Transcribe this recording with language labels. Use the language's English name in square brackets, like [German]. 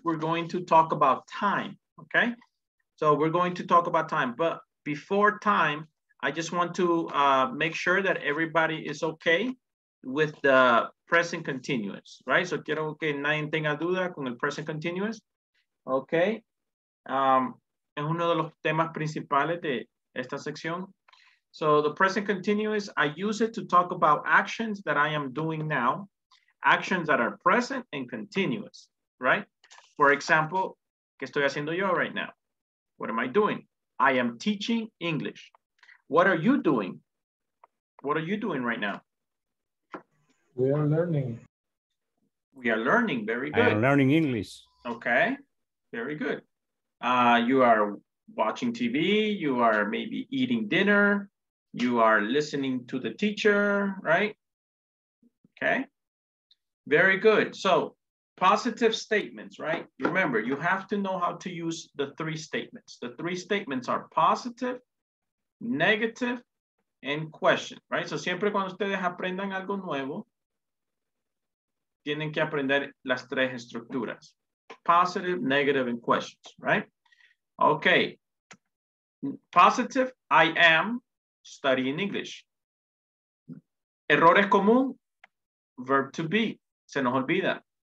[English] We're going to talk about time, okay? So we're going to talk about time. But before time, I just want to make sure that everybody is okay with the present continuous, right? So [Spanish] quiero que nadie tenga duda con el [English] present continuous. Okay, [Spanish] es uno de los temas principales de esta sección. [English] So the present continuous, I use it to talk about actions that I am doing now, actions that are present and continuous, right? For example, [Spanish] ¿qué estoy haciendo yo [English] right now? What am I doing? I am teaching English. What are you doing? What are you doing right now? We are learning. We are learning, very good. I am learning English. Okay, very good. You are watching TV, you are maybe eating dinner, you are listening to the teacher, right? Okay, very good. So positive statements, right? Remember, you have to know how to use the three statements. The three statements are positive, negative, and question, right? [Spanish] So siempre cuando ustedes aprendan algo nuevo, tienen que aprender las tres estructuras. [English] Positive, negative, and questions, right? Okay. Positive, I am studying English. [Spanish] Errores común, [English] verb to be. [Spanish] Se nos olvida.